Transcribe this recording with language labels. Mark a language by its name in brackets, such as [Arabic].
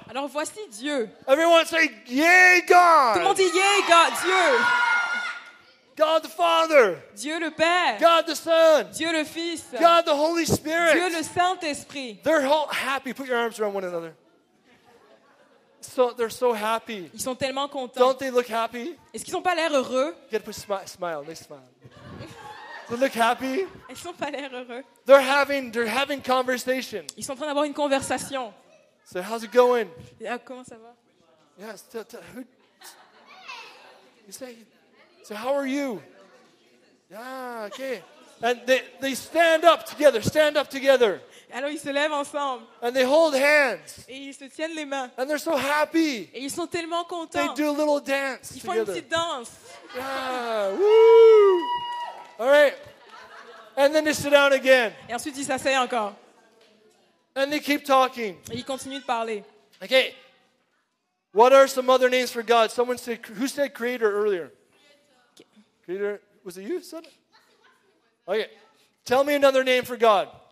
[French] Alors voici Dieu. [English] Everyone say, yay, God. [French] Tout le monde dit, [English] yay, God, [French] Dieu. [English] God the Father. [French] Dieu le Père. [English] God the Son. [French] Dieu le Fils. [English] God the Holy Spirit. [French] Dieu le Saint-Esprit. [English] They're all happy. Put your arms around one another. So they're so happy. [French] Ils sont tellement contents. [English] Don't they look happy? [French] Est-ce qu'ils n'ont pas l'air heureux? [English] You gotta put a smile. They smile. They look happy. [French] Ils sont pas l'air heureux. [English] They're having conversation. [French] Ils sont en train d'avoir une conversation. [English] So how's it going? [French] Yeah, comment ça va? [English] Yes. Who? You say. So how are you? Yeah. Okay. And they stand up together. Stand up together. [French] Alors ils se lèvent ensemble. [English] And they hold hands. [French] Et ils se tiennent les mains. [English] And they're so happy. [French] Et ils sont tellement contents. [English] They do a little dance [French] ils Ils font une petite danse. [English] Yeah. Woo! All right. And then they sit down again. [French] Et ensuite, ils s'asseyent encore. [English] And they keep talking. [French] Et ils continuent de parler. [English] Okay. What are some other names for God? Someone said, who said creator earlier? Creator, was it you said it? Okay. Tell me another name for God.